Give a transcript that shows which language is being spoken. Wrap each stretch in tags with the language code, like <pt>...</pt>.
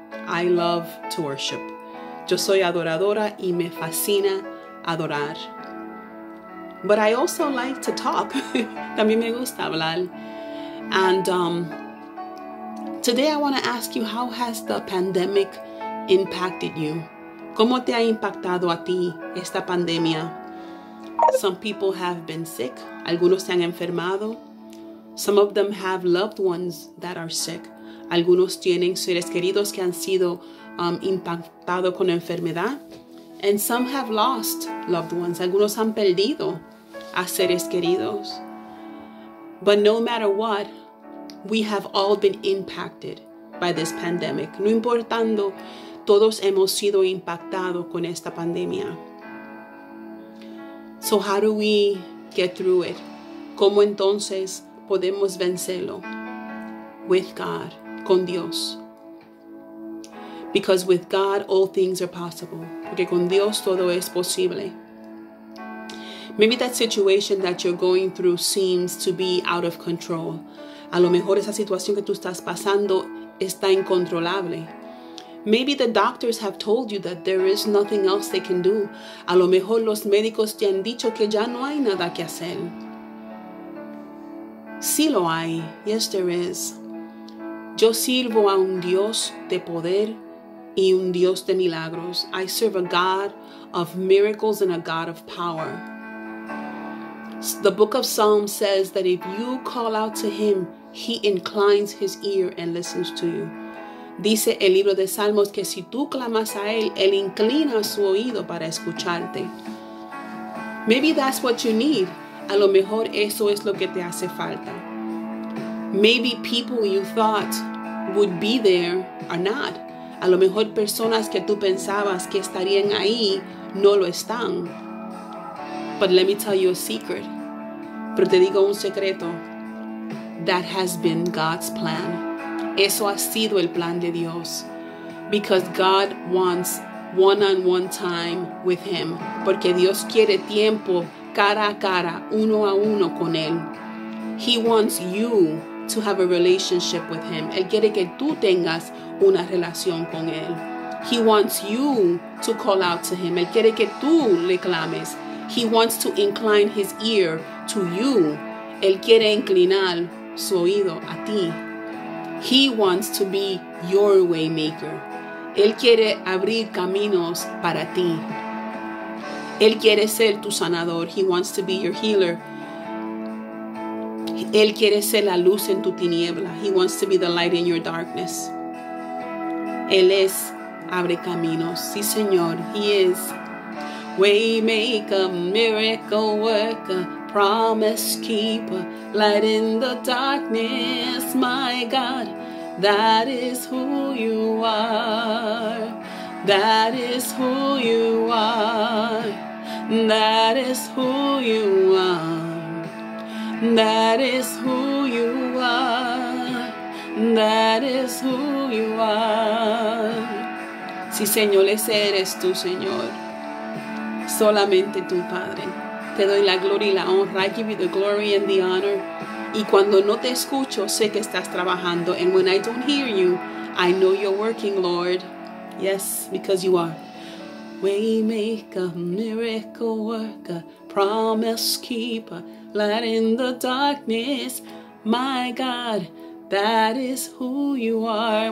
<en>I love to worship.</en> <es>Yo soy adoradora y me fascina adorar.</es> <en>But I also like to talk.</en> <es>También me gusta hablar.</es> <en>And today I want to ask you, how has the pandemic impacted you?</en> <es>¿Cómo te ha impactado a ti esta pandemia?</es> <en>Some people have been sick.</en> <es>Algunos se han enfermado.</es> <en>Some of them have loved ones that are sick.</en> <es>Algunos tienen seres queridos que han sido impactados con enfermedad.</es> <en>And some have lost loved ones.</en> <es>Algunos han perdido a seres queridos.</es> <en>But no matter what, we have all been impacted by this pandemic.</en> <es>No importando, todos hemos sido impactados con esta pandemia.</es> <en>So how do we get through it?</en> <es>¿Cómo entonces podemos vencerlo?</es> <en>With God,</en> <es>con Dios.</es> <en>Because with God, all things are possible.</en> <es>Porque con Dios todo es posible.</es> <en>Maybe that situation that you're going through seems to be out of control.</en> <es>A lo mejor esa situación que tú estás pasando está incontrolable.</es> <en>Maybe the doctors have told you that there is nothing else they can do.</en> <es>A lo mejor los médicos te han dicho que ya no hay nada que hacer. Sí lo hay.</es> <en>Yes, there is.</en> <es>Yo sirvo a un Dios de poder y un Dios de milagros.</es> <en>I serve a God of miracles and a God of power. The book of Psalms says that if you call out to him, he inclines his ear and listens to you.</en> <es>Dice el libro de Salmos que si tú clamas a él, él inclina su oído para escucharte.</es> <en>Maybe that's what you need.</en> <es>A lo mejor eso es lo que te hace falta.</es> <en>Maybe people you thought would be there are not.</en> <es>A lo mejor personas que tú pensabas que estarían ahí no lo están.</es> <en>But let me tell you a secret.</en> <es>Pero te digo un secreto.</es> <en>That has been God's plan.</en> <es>Eso ha sido el plan de Dios.</es> <en>Because God wants one-on-one time with him.</en> <es>Porque Dios quiere tiempo cara a cara, uno a uno con él.</es> <en>He wants you to have a relationship with him.</en> <es>Él quiere que tú tengas una relación con él.</es> <en>He wants you to call out to him.</en> <es>Él quiere que tú le clames.</es> <en>He wants to incline his ear to you.</en> <es>Él quiere inclinar su oído a ti.</es> <en>He wants to be your way maker.</en> <es>Él quiere abrir caminos para ti. Él quiere ser tu sanador.</es> <en>He wants to be your healer.</en> <es>Él quiere ser la luz en tu tiniebla.</es> <en>He wants to be the light in your darkness.</en> <es>Él es abre caminos. Sí, Señor.</es> <en>He is way maker, miracle worker, promise keeper, light in the darkness, my God. That is who you are. That is who you are. That is who you are. That is who you are. That is who you are.</en> <es>Sí, Señor, ese eres tú, Señor. Solamente tú, Padre. Te doy la gloria y la honra.</es> <en>I give you the glory and the honor.</en> <es>Y cuando no te escucho, sé que estás trabajando.</es> <en>And when I don't hear you, I know you're working, Lord. Yes, because you are. Waymaker, miracle worker, promise keeper, light in the darkness, my God, that is who you are.</en>